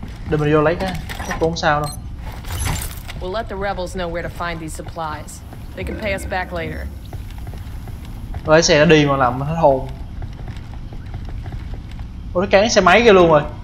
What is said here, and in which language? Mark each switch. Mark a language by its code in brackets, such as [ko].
[vi] Để mình vô lấy cái, chắc cũng sao đâu. [en] We'll let the rebels know where to find these supplies. They can pay us back later. [vi] Lấy xe nó đi mà làm hết hồn. Ôi, nó cán xe máy kia luôn rồi.